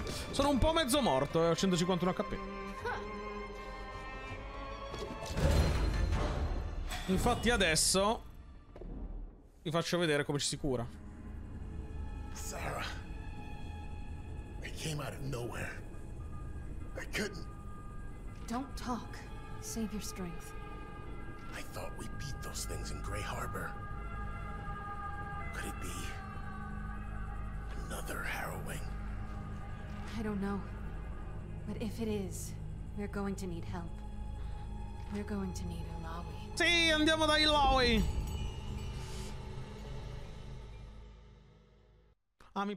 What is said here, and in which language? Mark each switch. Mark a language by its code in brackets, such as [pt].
[it] Sono un po' mezzo morto, ho 151 HP. Infatti adesso vi faccio vedere come ci si cura. [en] Sarah, it came out of nowhere. I couldn't. Don't talk. Save your strength. I thought we beat those things in Grey Harbor. Could it be another harrowing? I don't know. But if it is, we're going to need help. We're going to need Illaoi. [it] Sì, andiamo da Illaoi! Ah, mi...